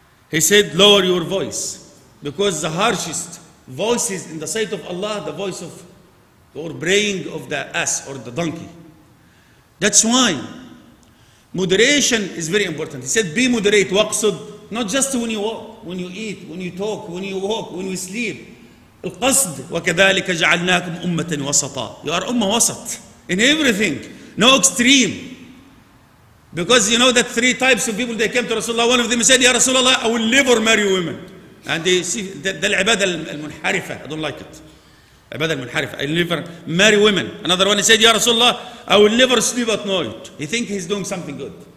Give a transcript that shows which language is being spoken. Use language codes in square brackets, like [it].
[en] He said, lower your voice. Because the harshest voices in the sight of Allah, the voice of or braying of the ass or the donkey. That's why moderation is very important. He said, be moderate, waqsud, not just when you walk, when you eat, when you talk, when you walk, when you sleep. [ar] القصد وكذلك جعلناكم أمة وسطا. [en] You are أمة وسط in everything, no extreme. Because you know that three types of people they came to Rasulullah, one of them said, Ya Rasulullah, I will never marry women. And you see, the العبادة المنحرفة, I don't like it. عبادة المنحرفة, I will never marry women. Another one said, Ya Rasulullah, I will never sleep at night. He thinks he's doing something good.